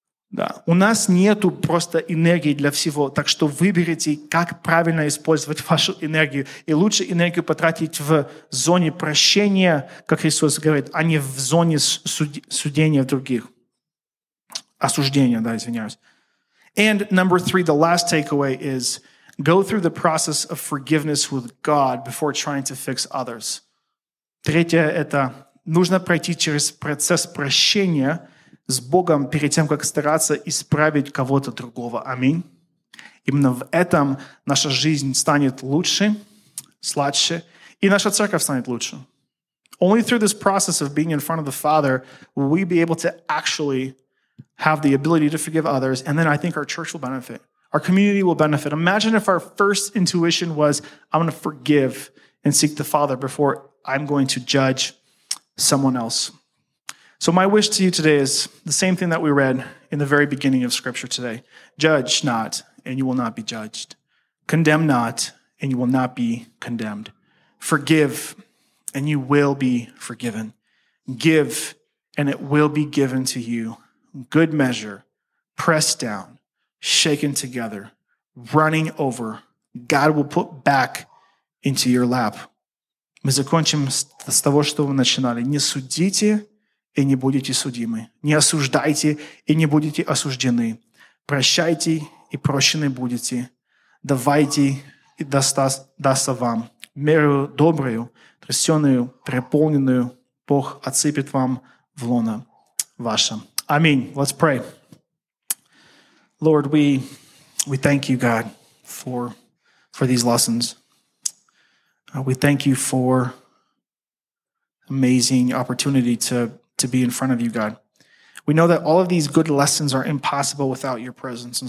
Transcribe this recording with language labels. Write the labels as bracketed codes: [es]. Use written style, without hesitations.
[ru] Да, у нас нету просто энергии для всего, так что выберите, как правильно использовать вашу энергию. И лучше энергию потратить в зоне прощения, как Иисус говорит, а не в зоне судения других. Осуждения, да, извиняюсь. [en] And number three, the last takeaway is go through the process of forgiveness with God before trying to fix others. [ru] Третье – это нужно пройти через процесс прощения с Богом перед тем, как стараться исправить кого-то другого. Аминь. Именно в этом наша жизнь станет лучше, сладче, и наша церковь станет лучше. [en] Only through this process of being in front of the Father will we be able to actually have the ability to forgive others, and then I think our church will benefit. Our community will benefit. Imagine if our first intuition was, I'm going to forgive and seek the Father before I'm going to judge someone else. So my wish to you today is the same thing that we read in the very beginning of Scripture today. Judge not, and you will not be judged. Condemn not, and you will not be condemned. Forgive, and you will be forgiven. Give, and it will be given to you. Good measure, pressed down, shaken together, running over. God will put back into your lap. [ru] Мы закончим с того, что вы начинали. Не судите и не будете судимы. Не осуждайте, и не будете осуждены. Прощайте, и прощены будете. Давайте, и дастся вам. Меру добрую, трясенную, преполненную, Бог отсыпет вам в лоно ваше. [en] Аминь. Let's pray. Lord, we thank you, God, for these lessons. We thank you for amazing opportunity to be in front of you, God. We know that all of these good lessons are impossible without your presence.